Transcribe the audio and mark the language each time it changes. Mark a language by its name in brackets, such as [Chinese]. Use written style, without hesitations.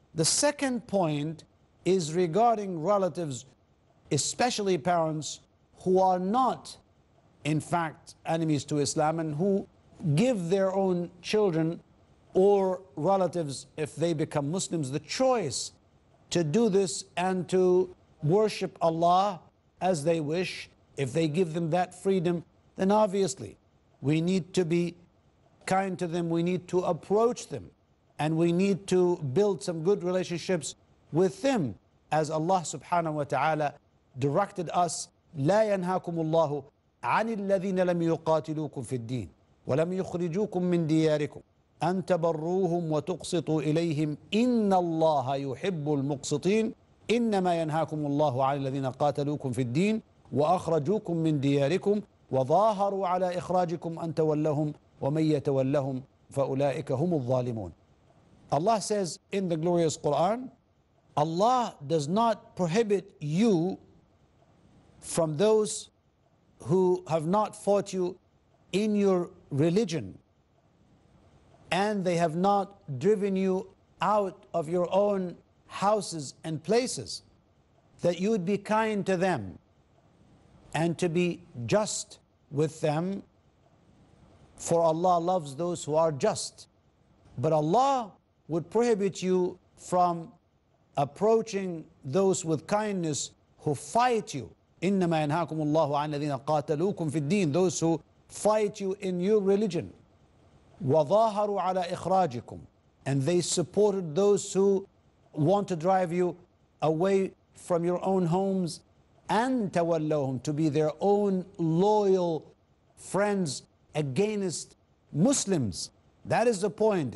[English] The second point is regarding relatives, especially parents, who are not, in fact, enemies to Islam, and who give their own children or relatives, if they become Muslims, the choice to do this and to worship Allah as they wish. If they give them that freedom, then obviously we need to be kind to them, we need to approach them, and we need to build some good relationships with them, as Allah subhanahu wa ta'ala [Arabic] directed us, لا ينهاكم الله عن الذين لم يقاتلوكم في الدين ولم يخرجوكم من دياركم أن تبروهم وتقسطوا إليهم إن الله يحب المقسطين إنما ينهاكم الله عن الذين قاتلوكم في الدين وأخرجوكم من دياركم وظاهروا على إخراجكم أن تولهم ومن يتولهم فأولئك هم الظالمون. [English] Allah says in the glorious Quran, Allah does not prohibit you from those who have not fought you in your religion, and they have not driven you out of your own houses and places, that you would be kind to them and to be just with them, for Allah loves those who are just. But Allah would prohibit you from approaching those with kindness who fight you. [Arabic] إِنَّمَا يَنْهَاكُمُ اللَّهُ عَنَ الَّذِينَ قَاتَلُوكُمْ فِي الدِّينِ, [English] those who fight you in your religion. [Arabic] وَظَاهَرُوا عَلَىٰ إِخْرَاجِكُمْ, [English] and they supported those who want to drive you away from your own homes. And تَوَلَّوْهُمْ, to be their own loyal friends against Muslims. That is the point.